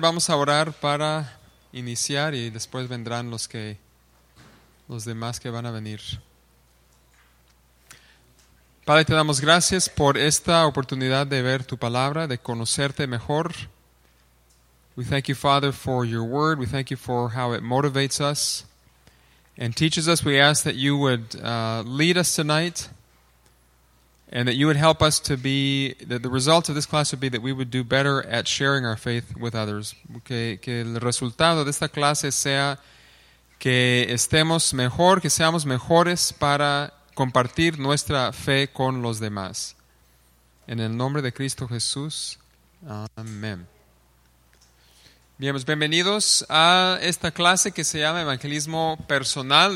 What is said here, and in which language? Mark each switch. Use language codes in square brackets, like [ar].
[es] Vamos a orar para iniciar y después vendrán los demás que van a venir. Padre, te damos gracias por esta oportunidad de ver tu palabra, de conocerte mejor. [en] We thank you, Father, for your word. We thank you for how it motivates us and teaches us. We ask that you would lead us tonight. And that you would help us to be, that the result of this class would be that we would do better at sharing our faith with others. [es] Que el resultado de esta clase sea que estemos mejor, que seamos mejores para compartir nuestra fe con los demás. En el nombre de Cristo Jesús. Amén. Bien, pues bienvenidos a esta clase que se llama Evangelismo Personal.